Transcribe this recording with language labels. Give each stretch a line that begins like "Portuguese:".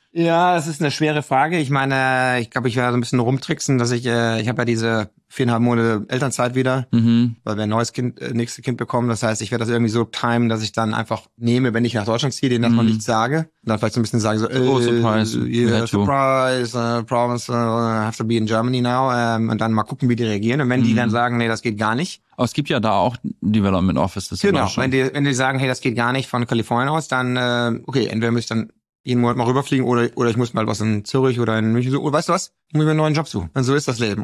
German: Ja, das ist eine schwere Frage. Ich meine, ich glaube, ich werde so ein bisschen rumtricksen, dass ich habe ja diese 4,5 Monate Elternzeit wieder, weil wir ein nächstes Kind bekommen. Das heißt, ich werde das irgendwie so timen, dass ich dann einfach nehme, wenn ich nach Deutschland ziehe, denen das mal nicht sage. Und dann vielleicht so ein bisschen sage, so,
English: surprise, have to be in Germany now.
German: Und dann mal gucken, wie die reagieren. Und wenn die dann sagen, nee, das geht gar nicht. Aber es gibt ja da auch Development Offices. Genau, wenn die sagen, hey, das geht gar nicht von Kalifornien aus, dann, okay, entweder müsste ich dann jeden Monat mal rüberfliegen oder ich muss mal was in Zürich oder in München suchen. Weißt du was? Ich muss mir einen neuen Job suchen. Und so ist das Leben.